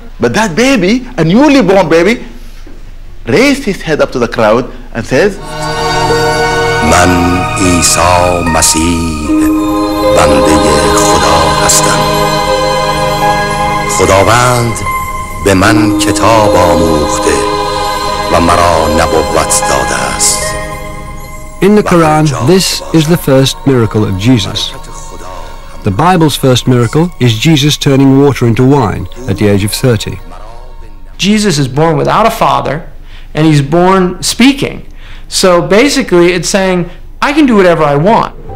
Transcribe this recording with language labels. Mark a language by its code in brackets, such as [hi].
[en] But that baby, a newly born baby, raised his head up to the crowd and says, [fa] من عیسی مسیح بنده خدا هستم. خداوند به من کتاب آموخته و مرا نبوت داده است. [en] In the Quran, this is the first miracle of Jesus. The Bible's first miracle is Jesus turning water into wine at the age of 30. Jesus is born without a father, and he's born speaking. So basically it's saying, I can do whatever I want.